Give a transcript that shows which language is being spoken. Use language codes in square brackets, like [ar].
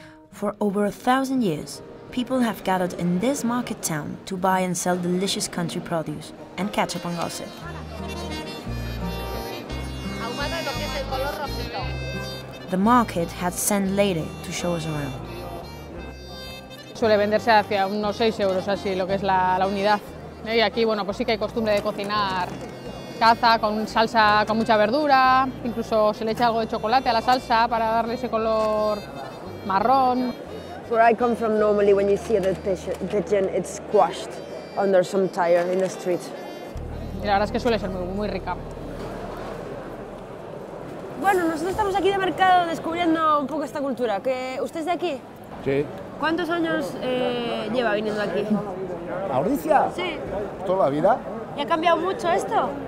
[en] For over 1,000 years, people have gathered in this market town to buy and sell delicious country produce and catch up on gossip. The market had sent Leire to show us around. [es] Suele venderse hacia unos 6 euros así lo que es la unidad. Y aquí, bueno, pues sí que hay costumbre de cocinar caza con salsa con mucha verdura, incluso se le echa algo de chocolate a la salsa para darle ese color marrón. [en] Where I come from, normally when you see the pigeon, it's squashed under some tire in the street. [es] Y la verdad es que suele ser muy, muy rica. Bueno, nosotros estamos aquí de mercado descubriendo un poco esta cultura. ¿Que usted es de aquí? Sí. ¿Cuántos años lleva viniendo aquí? ¿A Ordizia? Sí. ¿Toda la vida? ¿Y ha cambiado mucho esto?